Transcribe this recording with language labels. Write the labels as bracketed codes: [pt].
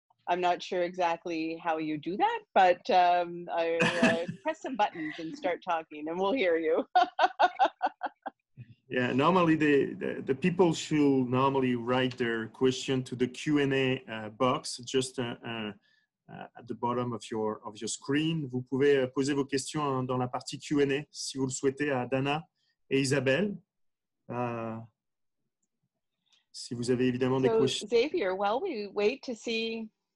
[en] I'm not sure exactly how you do that, but I press some buttons and start talking and we'll hear you. Yeah, normally the people should normally write their question to the Q&A box just at the bottom of your screen. [fr] Vous pouvez poser vos questions dans la partie Q&A si vous le souhaitez à Dana et Isabelle. Si vous avez évidemment des questions. [en] So Xavier, while we wait to see,